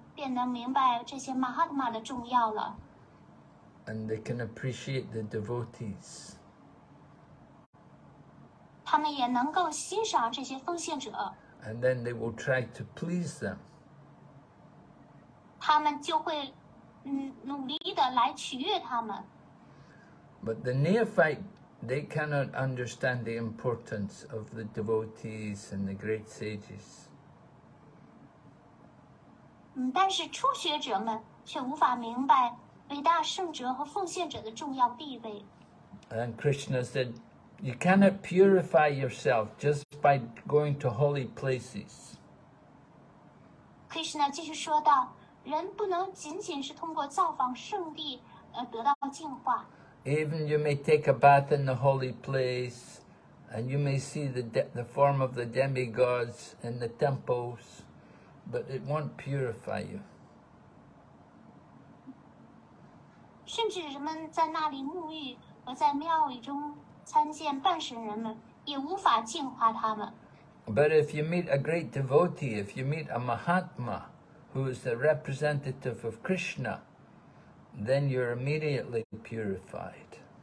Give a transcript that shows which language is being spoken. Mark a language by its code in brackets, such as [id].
[zh] 倘若他们被提升到知觉的另一层面，便能明白这些马哈德玛的重要了。 [en] And they can appreciate the devotees. [zh] 他们也能够欣赏这些奉献者。 [en] And then they will try to please them. [zh] 他们就会努力地来取悦他们。 [en] But the neophyte, they cannot understand the importance of the devotees and the great sages. [zh] 但是初学者们却无法明白 伟大圣者和奉献者的重要地位。 [en] And Krishna said, you cannot purify yourself just by going to holy places. [zh] Krishna继续说道, 人不能仅仅是通过造访圣地得到净化。 [en] Even you may take a bath in the holy place, and you may see the form of the demigods in the temples, but it won't purify you. [zh] 甚至人们在那里沐浴和在庙宇中参见半神人们，也无法净化他们。 [en] But if you meet a great devotee, if you meet a Mahatma who is the representative of Krishna, then you're immediately purified.